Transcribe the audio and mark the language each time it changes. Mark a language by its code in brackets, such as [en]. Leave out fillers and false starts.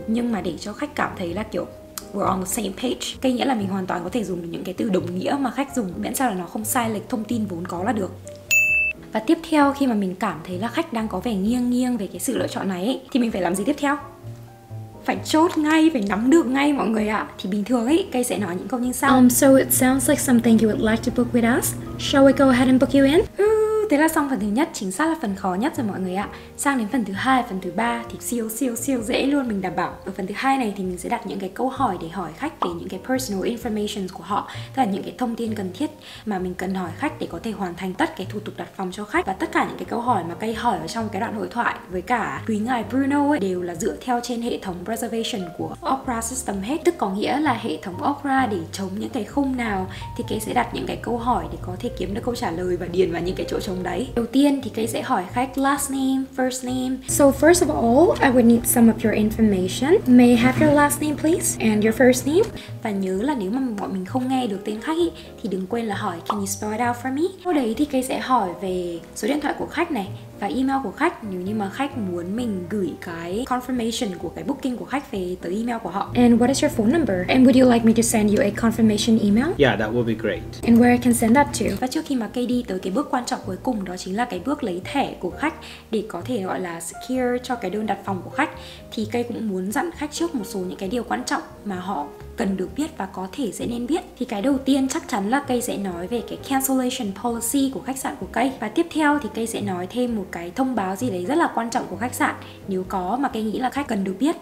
[vi] Nhưng mà để cho khách cảm thấy là kiểu we're on the same page, Kay nghĩa là mình hoàn toàn có thể dùng những cái từ đồng nghĩa mà khách dùng, miễn sao là nó không sai lệch thông tin vốn có là được. Và tiếp theo, khi mà mình cảm thấy là khách đang có vẻ nghiêng nghiêng về cái sự lựa chọn này ấy, thì mình phải làm gì tiếp theo? Phải chốt ngay, phải nắm được ngay mọi người ạ. Thì bình thường ấy, Kay sẽ nói những câu như sau: [en] So it sounds like something you would like to book with us. Shall we go ahead and book you in? [vi] Thế là xong phần thứ nhất, chính xác là phần khó nhất rồi mọi người ạ. Sang đến phần thứ hai, phần thứ ba thì siêu dễ luôn, mình đảm bảo. Ở phần thứ hai này thì mình sẽ đặt những cái câu hỏi để hỏi khách về những cái personal information của họ, tức là những cái thông tin cần thiết mà mình cần hỏi khách để có thể hoàn thành tất cái thủ tục đặt phòng cho khách. Và tất cả những cái câu hỏi mà Kay hỏi ở trong cái đoạn hội thoại với cả quý ngài Bruno ấy, đều là dựa theo trên hệ thống reservation của Opera System hết. Tức có nghĩa là hệ thống Opera để chống những cái khung nào, thì Kay sẽ đặt những cái câu hỏi để có thể kiếm được câu trả lời và điền vào những cái chỗ trống đấy. Đầu tiên thì Kay sẽ hỏi khách last name, first name. [en] So first of all, I would need some of your information. May I have your last name please and your first name? [vi] Và nhớ là nếu mà bọn mình không nghe được tên khách ý, thì đừng quên là hỏi can you spell it out for me? Sau đấy thì Kay sẽ hỏi về số điện thoại của khách này và email của khách, nếu như mà khách muốn mình gửi cái confirmation của cái booking của khách về tới email của họ. [en] And what is your phone number? And would you like me to send you a confirmation email? Yeah, that would be great. And where I can send that to? [vi] Và trước khi mà Kay đi tới cái bước quan trọng cuối cùng, đó chính là cái bước lấy thẻ của khách để có thể gọi là secure cho cái đơn đặt phòng của khách, thì Kay cũng muốn dặn khách trước một số những cái điều quan trọng mà họ cần được biết và có thể sẽ nên biết. Thì cái đầu tiên chắc chắn là Kay sẽ nói về cái cancellation policy của khách sạn của Kay. Và tiếp theo thì Kay sẽ nói thêm một cái thông báo gì đấy rất là quan trọng của khách sạn, nếu có mà Kay nghĩ là khách cần được biết.